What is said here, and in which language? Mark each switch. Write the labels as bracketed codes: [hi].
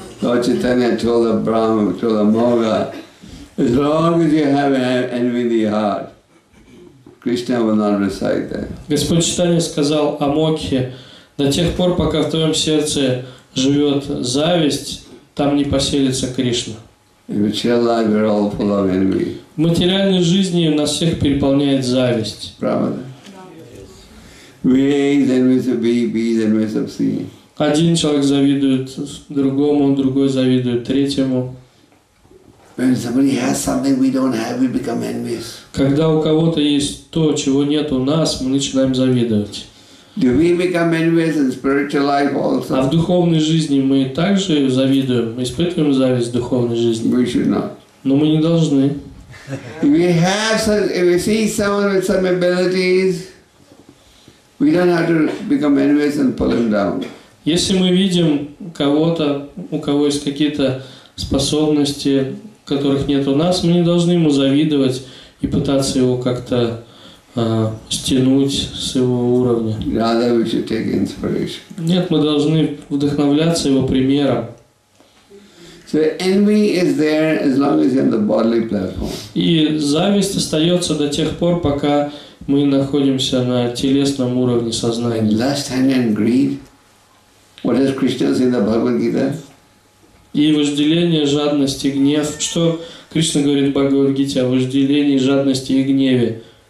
[en] Lord Chaitanya told the Brahma, told the Moga, as long as you have envy in your heart, Krishna will not recite that. [ru] Господь Читания сказал о Мокхе: до тех пор, пока в твоем сердце живет зависть, там не поселится Кришна. В материальной жизни нас всех переполняет зависть. Правда? Один человек завидует другому, другой завидует третьему. [en] When somebody has something we don't have, we become envious. [ru] Когда у кого-то есть то, чего нет у нас, мы начинаем завидовать. [en] Do we become envious in spiritual life also? [ru] А в духовной жизни мы также завидуем, испытываем зависть в духовной жизни. [en] We should not. [ru] Но мы не должны. [en] If we see someone with some abilities, we don't have to become envious and pull him down. [ru] Если мы видим кого-то, у кого есть какие-то способности, которых нет у нас, мы не должны ему завидовать и пытаться его как-то стянуть с его уровня. [en] Rather we should take inspiration. [ru] Нет, мы должны вдохновляться его примером. [en] So envy is there as long as you're on the bodily platform. [ru] И зависть остается до тех пор, пока мы находимся на телесном уровне сознания. [en] Lust, anger and greed. What does Krishna say in the Bhagavad Gita? [ru] И вожделение, жадность и гнев. Что Кришна говорит в Бхагавад-гите о вожделении, жадности и гневе?